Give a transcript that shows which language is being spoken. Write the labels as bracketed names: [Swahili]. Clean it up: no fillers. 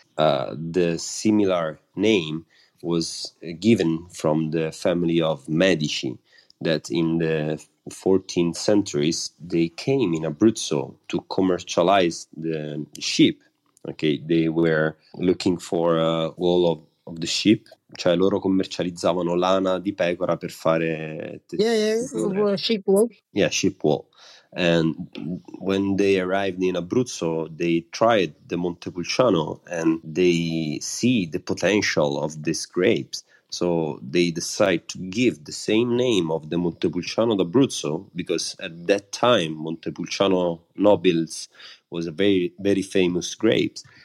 [English] The similar name was given from the family of Medici, that in the 14th centuries, they came in Abruzzo to commercialize the sheep. Okay, they were looking for a wool of the sheep. [Italian] Cioè, loro commercializzavano lana di pecora per fare... [English] sheep wool. Yeah, sheep wool. And when they arrived in Abruzzo, they tried the Montepulciano and they see the potential of these grapes. So they decide to give the same name of the Montepulciano d'Abruzzo, because at that time, Montepulciano Nobles was a very, very famous grapes.